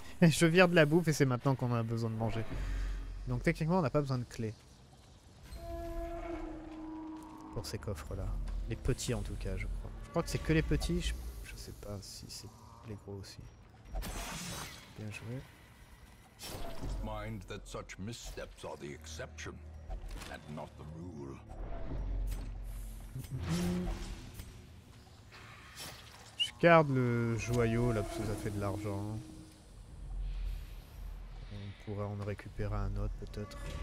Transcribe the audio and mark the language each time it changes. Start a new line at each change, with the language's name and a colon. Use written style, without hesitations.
French: Je vire de la bouffe et c'est maintenant qu'on a besoin de manger. Donc techniquement, on n'a pas besoin de clé. Pour ces coffres-là. Les petits, en tout cas, je crois. Je crois que c'est que les petits. Je sais pas si c'est les gros aussi. Bien joué.
English: Mind that such missteps are the exception and not the rule.
French: Je garde le joyau là parce que ça fait de l'argent. On pourrait en récupérer un autre peut-être.